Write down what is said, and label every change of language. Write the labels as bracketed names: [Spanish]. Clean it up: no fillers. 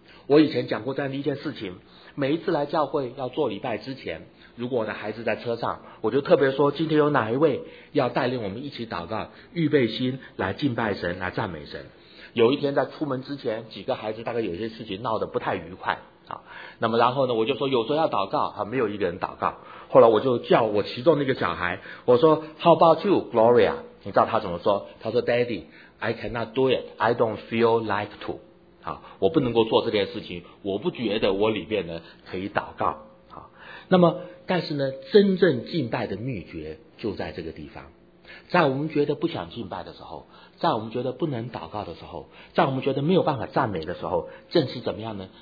[Chinese] 我以前讲过这样的一件事情，每一次来教会要做礼拜之前，如果我的孩子在车上，我就特别说今天有哪一位要带领我们一起祷告，预备心来敬拜神，来赞美神。有一天在出门之前，几个孩子大概有些事情闹得不太愉快啊，那么然后呢，我就说有时候要祷告啊，没有一个人祷告。后来我就叫我其中那个小孩，我说 [English] How about you, [Chinese] Gloria? 你知道他怎么说？他说 [English] Daddy, I cannot do it, I don't feel like to。 [Chinese] 啊，我不能够做这件事情，我不觉得我里边呢可以祷告啊。那么，但是呢，真正敬拜的秘诀就在这个地方。在我们觉得不想敬拜的时候，在我们觉得不能祷告的时候，在我们觉得没有办法赞美的时候，正是怎么样呢？